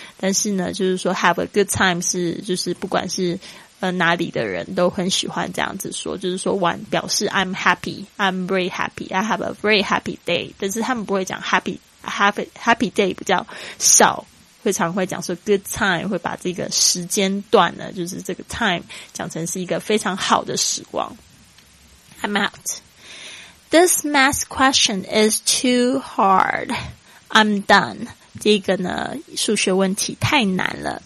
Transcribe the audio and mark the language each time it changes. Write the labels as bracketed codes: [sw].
[zh] 但是呢，就是说 have a good time 是就是不管是哪里的人都很喜欢这样子说，就是说玩表示 [en] I'm happy, I'm very happy, I have a very happy day。 [zh] 但是他们不会讲 [en] happy day [zh] 比较少，会常会讲说 [en] good time， [zh] 会把这个时间段呢，就是这个 time 讲成是一个非常好的时光。 [en] I'm out. This math question is too hard. I'm done. [zh] 这个呢，数学问题太难了。